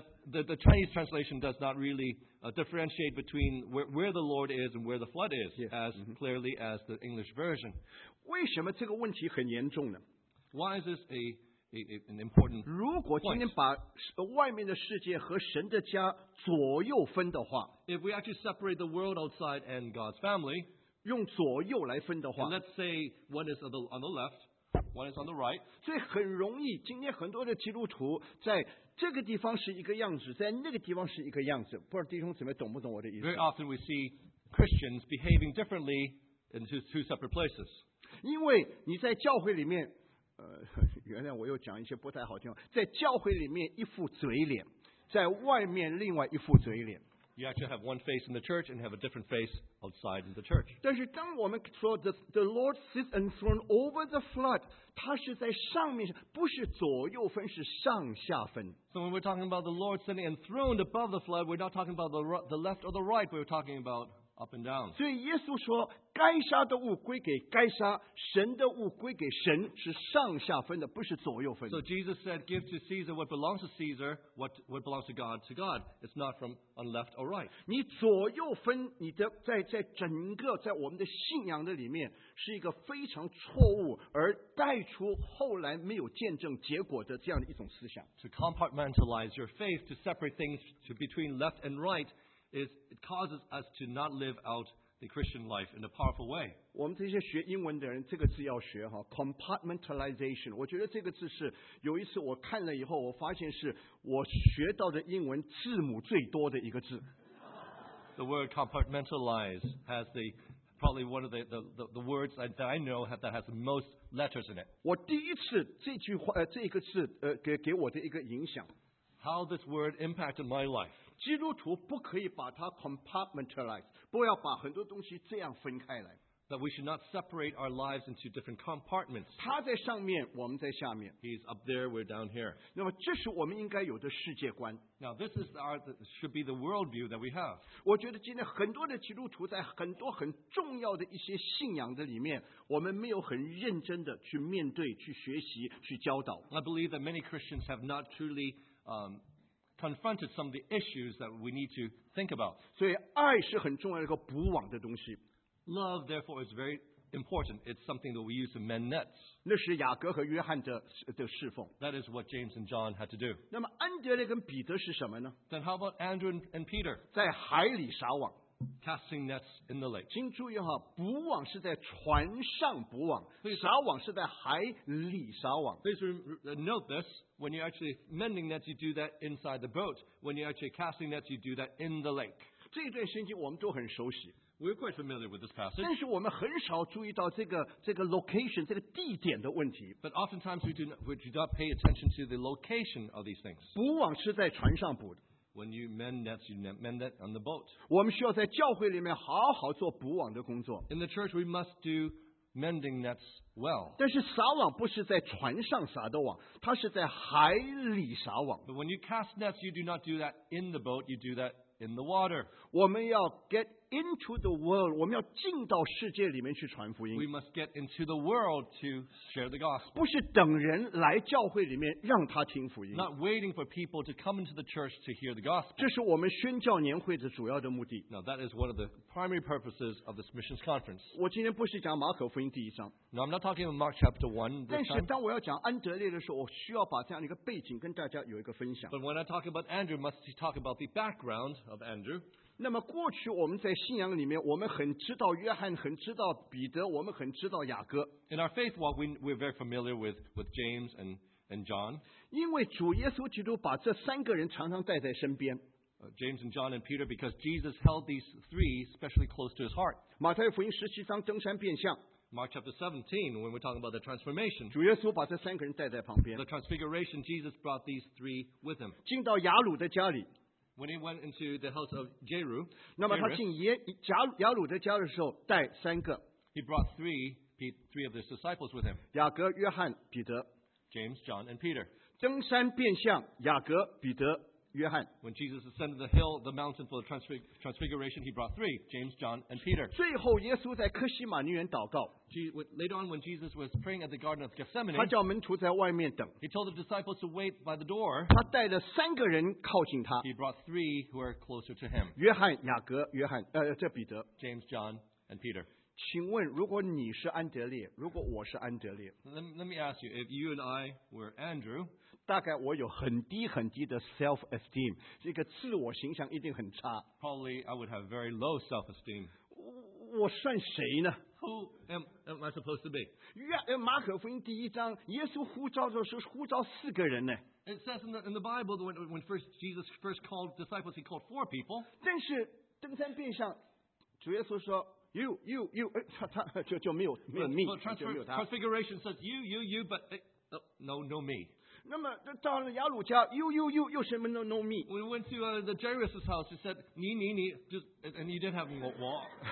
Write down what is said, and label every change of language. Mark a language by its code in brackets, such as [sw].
[en] the Chinese translation does not really differentiate between where the Lord is and where the flood is yes, as clearly as the English version. [zh] 为什么这个问题很严重呢? [en] Why is this an important point? [zh] 如果今天把外面的世界和神的家左右分的话, [en] if we actually separate the world outside and God's family, [zh] 用左右来分的话, [en] and let's say one is on the left,One is on the right. [zh] 所以很容易，今天很多的基督徒在这个地方是一个样子，在那个地方是一个样子。不知道弟兄姊妹懂不懂我的意思 [en] ？Very often we see Christians behaving differently in two separate places. [zh] 因为你在教会里面，原来我又讲一些不太好听。在教会里面一副嘴脸，在外面另外一副嘴脸。 [en] You actually have one face in the church and have a different face outside in the church. [zh] 但是当我们说 [en] the Lord sits enthroned over the flood, [zh] 他是在上面，不是左右分，是上下分。 [en] So when we're talking about the Lord sitting enthroned above the flood, we're not talking about the left or the right, we're talking about up and down. [zh] 所以耶稣说，该杀的物归给该杀，神的物归给神，是上下分的，不是左右分的。 [en] So Jesus said, give to Caesar what belongs to Caesar, what belongs to God. It's not from on left or right. [zh] 你左右分，你的在整个在我们的信仰的里面，是一个非常错误，而带出后来没有见证结果的这样的一种思想。 [en] To compartmentalize your faith, to separate things to between left and right, it causes us to not live out the Christian life in a powerful way. [zh] 我们这些学英文的人，这个字要学哈 ，compartmentalization。我觉得这个字是有一次我看了以后，我发现是我学到的英文字母最多的一个字。 [en] The word compartmentalize has the probably one of the words that I know that has the most letters in it. [zh] 我第一次这句话这个字给我的一个影响。 [en] How this word impacted my life. [zh] 基督徒不可以把它 compartmentalize， 不要把很多东西这样分开来。 [en] That we should not separate our lives into different compartments. [zh] 他在上面，我们在下面。 [en] He's up there, we're down here. [zh] 那么这是我们应该有的世界观。 [en] Now this is should be the worldview that we have. [zh] 我觉得今天很多的基督徒在很多很重要的一些信仰的里面，我们没有很认真的去面对、去学习、去教导。 [en] I believe that many Christians have not truly confronted some of the issues that we need to think about. [zh] 所以爱是很重要的一个补网的东西。 [en] Love, therefore, is very important. It's something that we use to mend nets. [zh] 那是雅各和约翰的侍奉。 [en] That is what James and John had to do. [zh] 那么安德烈跟彼得是什么呢? [en] Then how about Andrew and Peter? [zh] 在海里撒网。 [en] Casting nets in the lake. [zh] 请注意哈，补网是在船上补网，撒网是在海里撒网。 [en] Please note this. When you're actually mending nets, you do that inside the boat. When you're actually casting nets, you do that in the lake. [zh] 这段圣经我们都很熟悉。 [en] We're quite familiar with this passage. [zh] 但是我们很少注意到这个 location 这个地点的问题。 [en] But oftentimes we do not pay attention to the location of these things. [zh] 补网是在船上补的。 [en] When you mend nets, you mend that on the boat. [zh] 我们需要在教会里面好好做补网的工作。 [en] In the church, we must do mending nets well. [zh] 但是撒网不是在船上撒的网，它是在海里撒网。 [en] But when you cast nets, you do not do that in the boat. You do that in the water. [zh] 我们要 [en] get into the world. [zh] 我们要进到世界里面去传福音。 [en] We must get into the world to share the gospel. [zh] 不是等人来教会里面让他听福音。 [en] Not waiting for people to come into the church to hear the gospel. [zh] 这是我们宣教年会的主要的目的。 [en] Now that is one of the primary purposes of this missions conference. [zh] 我今天不是讲马可福音第一章。 [en] No, I'm not talking about Mark chapter 1. [zh] 但是当我要讲安德烈的时候，我需要把这样一个背景跟大家有一个分享。 [en] But when I talk about Andrew, must talk about the background of Andrew. [zh] 那么过去我们在信仰里面，我们很知道约翰，很知道彼得，我们很知道雅各。 [en] In our faith walk, we're very familiar with James and John. [zh] 因为主耶稣基督把这三个人常常带在身边。 [en] James and John and Peter, because Jesus held these three especially close to his heart. [zh] 马太福音十七章登山变相。 [en] Mark chapter 17, when we're talking about the transformation, [zh] 主耶稣把这三个人带在旁边。 [en] The transfiguration, Jesus brought these three with him. [zh] 进到雅鲁的家里。 [en] When he went into the house of Jairus, [zh] 那么他进耶雅鲁的家的时候，带三个。 [en] He brought three three of his disciples with him. [zh] 雅各、约翰、彼得。 [en] James, John, and Peter. [zh] 登山变相，雅各、彼得、约翰。 [en] When Jesus ascended the hill, the mountain for the transfiguration, he brought three, James, John, and Peter. [zh] 最后，耶稣在客西马尼园祷告。 [en] Later on, when Jesus was praying at the Garden of Gethsemane, [zh] 他叫门徒在外面等。 [en] He told the disciples to wait by the door. [zh] 他带了三个人靠近他。 [en] He brought three who are closer to him. [zh] 约翰、雅各、约翰，这彼得。 [en] James, John, and Peter. [zh] 请问，如果你是安德烈，如果我是安德烈 [en] ，Let me ask you, if you and I were Andrew, [zh] 大概我有很低很低的 self-esteem， 这个自我形象一定很差。 [en] Probably I would have very low self-esteem. [zh] 我算谁呢 [en] ？Who am I supposed to be？ [zh] 马可福音第一章，耶稣呼召的时候是呼召四个人呢。 [en] It says in the Bible that when first Jesus first called disciples, he called four people. [zh] 但是登山变相，主耶稣说。 [en] You, [zh] 他就没有 [en] me. Transfiguration says you, but no me. [zh] 那么到了雅鲁家 ， [en] you [zh] 又什么 [en] no me? We went to the Jairus' house. He said [zh] 你 [en] just and you didn't have [zh] 我。